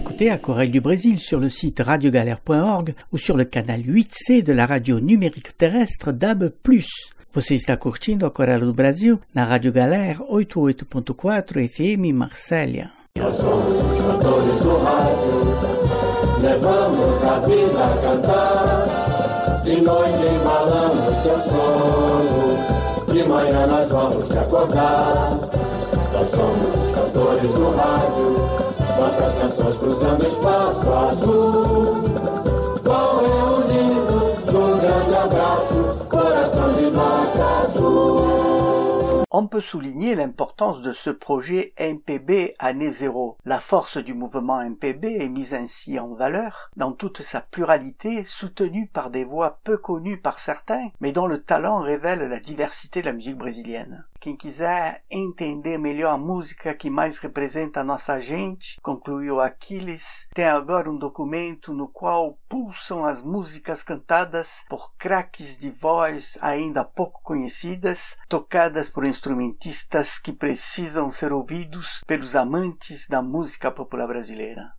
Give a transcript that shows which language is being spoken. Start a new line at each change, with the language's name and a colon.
French: À Corée du Brésil sur le site radiogalère.org ou sur le canal 8C de la radio numérique terrestre DAB+.
Portuguese: Você está curtindo a Corée do Brasil na Rádio Galère 88.4 FM Marselha. Levamos a vida a cantar, de noite embalamos teu sono, de manhã nós vamos te acordar. Nós somos os cantores do rádio. Nossas canções cruzando espaço azul vão reunindo num grande abraço, coração de nós.
French: On peut souligner l'importance de ce projet MPB Année Zéro. La force du mouvement MPB est mise ainsi en valeur, dans toute sa pluralité, soutenue par des voix peu connues par certains, mais dont le talent révèle la diversité de la musique brésilienne.
Portuguese: Quem quiser entender melhor a música que mais representa a nossa gente, concluiu Aquiles, tem agora documento no qual pulsam as músicas cantadas por craques de voz ainda pouco conhecidas, tocadas por instrumentistas que precisam ser ouvidos pelos amantes da música popular brasileira.